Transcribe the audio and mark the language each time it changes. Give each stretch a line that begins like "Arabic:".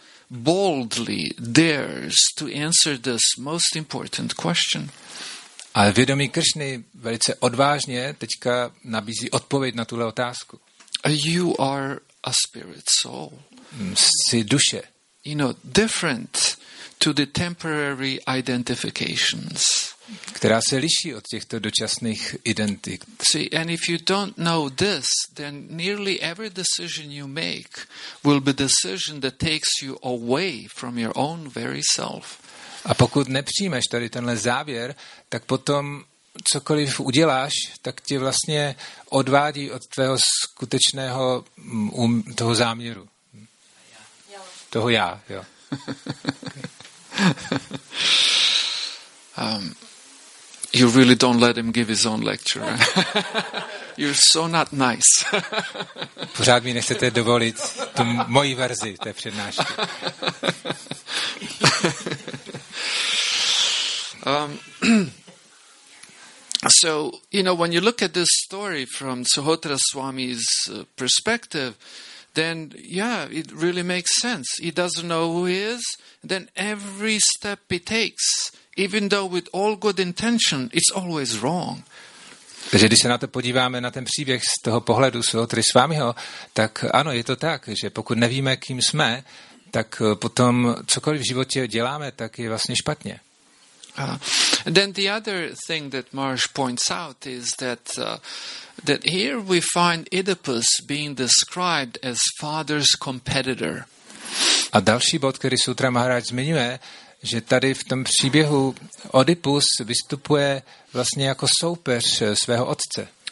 English: boldly dares to answer this most important question.
Czech: A vědomí Kršny velice odvážně teďka nabízí odpověď na tuhle otázku.
English: You are a spirit soul.
Czech: Jsi duše.
English: You know, different to the temporary identifications.
Czech: Která se liší od těchto dočasných identit.
English: See, and if you don't know this, then nearly every decision you make will be decision that takes you away from your own very self.
Czech: A pokud nepřijmeš tady tenhle závěr, tak potom cokoliv uděláš, tak tě vlastně odvádí od tvého skutečného toho záměru. Toho já, jo.
English: You really don't let him give his own lecture. You're so not nice.
Czech: Pořád mi nechcete dovolit tu moji verzi té přednášky.
English: So, you know, when you look at this story from Suhotra Swami's perspective, then, yeah, it really makes sense. He doesn't know who he is. Then every step he takes, even though with all good intention, it's always wrong.
Czech: Takže když se na to podíváme, na ten příběh z toho pohledu Suhotry Swamiho, tak ano, je to tak, že pokud nevíme, kým jsme, tak potom cokoliv v životě děláme, tak je vlastně špatně.
English: Then the other thing that Marsh points out is that that here we find Oedipus being described as father's competitor.
Czech: A další bod, který Sutra Maharaj zmiňuje, že tady v tom příběhu Oedipus vystupuje vlastně jako soupeř svého otce.